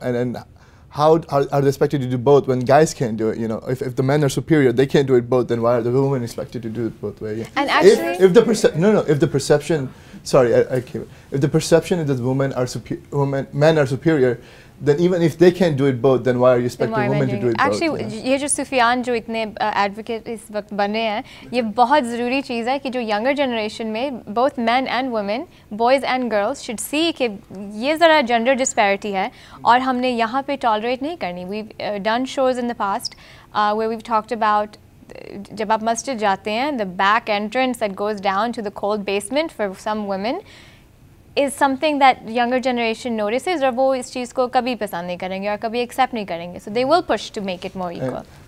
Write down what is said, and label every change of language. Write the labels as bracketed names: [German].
[English] And how are they expected to do both when guys can't do it? You know, if the men are superior, they can't do it both. Then why are the women expected to do it both ways? Yeah. And actually, if the perception is that women are superior, men are superior. Then even if they can't do it both, then why are you expecting women to do it actually, both? Actually, yeah. [Hindi] ये जो सुफियान जो इतने advocate इस वक्त बने हैं, ये बहुत ज़रूरी चीज़ है कि जो younger generation में [English] both men and women, boys and girls should see [Hindi] कि ये ज़रा gender disparity है, और हमने यहाँ पे tolerate नहीं करनी. [English] We've done shows in the past where we've talked about [Hindi] जब आप मस्जिद जाते हैं, [English] the back entrance that goes down to the cold basement for some women. Is something that younger generation notices or [Hindi] wo is cheez ko kabhi pasand nahi karenge [English] or kabhi accept nahi karenge, so they will push to make it more equal.